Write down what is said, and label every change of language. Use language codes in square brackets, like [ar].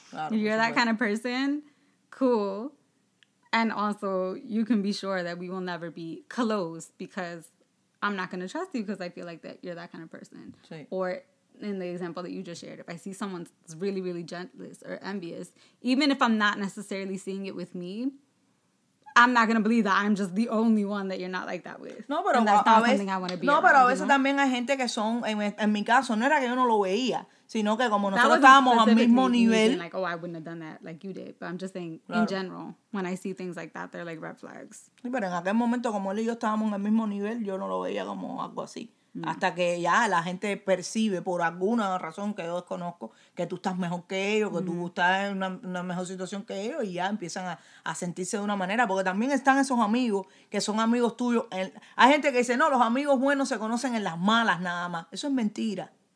[en] Claro, if you're that kind of person, cool. And also, you can be sure that we will never be close because I'm not going to trust you because I feel like that you're that kind of person. [es] Sí. [en] Or in the example that you just shared, if I see someone that's really, really jealous or envious, even if I'm not necessarily seeing it with me, I'm not going to believe that I'm just the only one that you're not like that with. [es] No, pero [en] and that's not something I want to be [es] no, [en] around, [es] pero a veces [en] you know? [es] También hay gente que son, en mi caso, no era que yo no lo veía, sino que como nosotros estábamos al mismo nivel. [en] Like, oh, I wouldn't have done that like you did. But I'm just saying, claro. In general, when I see things like that, they're like red flags. [es] Sí, pero en aquel momento, como él y yo estábamos al mismo nivel, yo no lo veía como algo así. Mm. Hasta que ya la gente percibe por alguna razón que yo desconozco que tú estás mejor que ellos, que tú estás en una mejor situación que ellos y ya empiezan a sentirse de una manera. Porque también están esos amigos que son amigos tuyos. Hay gente que dice, no, los amigos buenos se conocen en las malas nada más. Eso es mentira.